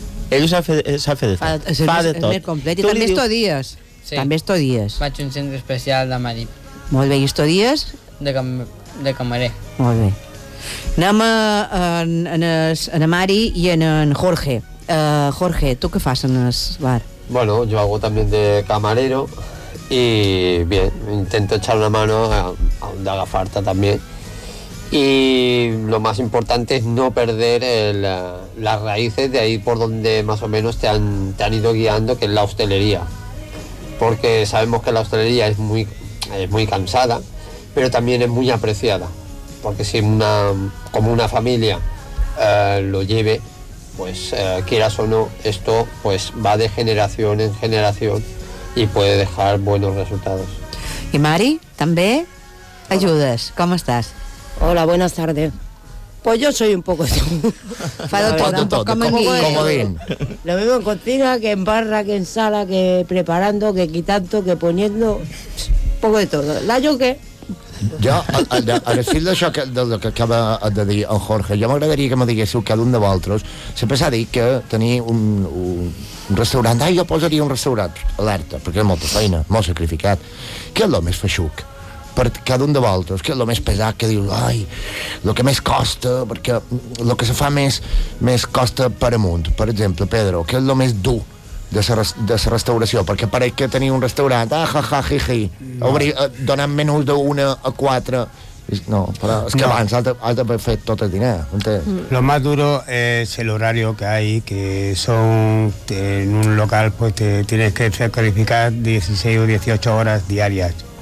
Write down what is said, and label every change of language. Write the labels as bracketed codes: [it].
[ca] Ell ho sap fer de fa. Fa de tot. És més complet. I també estudies. Sí. També estudies. Faig un centre especial de marit. Molt bé. I estudies? De camarer. Molt bé. Anem en Mari i en Jorge. Jorge, tu què fas en el bar? [es] Bueno, yo hago también de camarero y bien, intento echar una mano a donde haga falta también. Y lo más importante es no perder las raíces de ahí por donde más o menos te han ido guiando, que es la hostelería. Porque sabemos que la hostelería es muy cansada, pero también es muy apreciada. Porque si una familia lo lleve, pues quieras o no, esto pues va de generación en generación y puede dejar buenos resultados. Y Mari, también ayudas. ¿Cómo estás? Hola, buenas tardes. Pues yo soy un poco lo mismo en cocina, que en barra, que en sala, que preparando, que quitando, que poniendo, un poco de todo. La yoke. [ca] Jo, al fil d'això que acaba de dir en Jorge, jo m'agradaria que me diguéssiu cada un de vosaltres, sempre s'ha dit que tenir un restaurant, jo posaria un restaurant, alerta, perquè és molta feina, molt sacrificat. Què és el més feixuc per cada un de vosaltres? Què és el més pesat que dius, ai, el que més costa, perquè el que se fa més costa per amunt? Per exemple, Pedro, què és el més dur de la restauració? Perquè pareix que tenir un restaurant, donant menús d'una a quatre, no, però és que abans has de fer tot el diner. [es] Lo más duro es el horario que hay, que son en un local, pues te tienes que sacrificar 16 o 18 horas diarias.